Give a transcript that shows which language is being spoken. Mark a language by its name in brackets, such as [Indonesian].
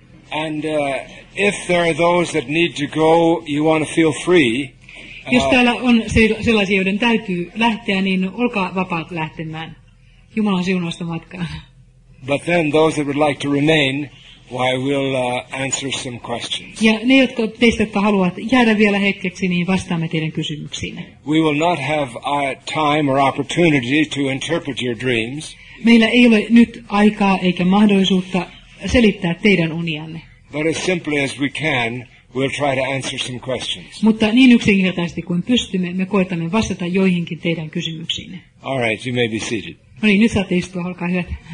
[English] And if there are those that need to go, you want to feel free. [Finnish] Jos täällä on sellaisia, joiden täytyy lähteä, niin olkaa vapaat lähtemään. Jumala on siunausta matkaan. [English] But then those that would like to remain, why we'll answer some questions. [Finnish] Ja ne, jotka teistä, jotka haluat jäädä vielä hetkeksi, niin vastaamme teidän kysymyksiin. [English] We will not have time or opportunity to interpret your dreams. [Finnish] Meillä ei ole nyt aikaa eikä mahdollisuutta selittää teidän unianne. [English] But as simply as we can, we'll try to answer some questions. [Finnish] Mutta niin yksinkertaisesti kuin pystymme, me koetamme vastata joihinkin teidän kysymyksiinne. [English] All right, you may be seated. [Finnish] No niin, nyt saatte istua, olkaa hyvät.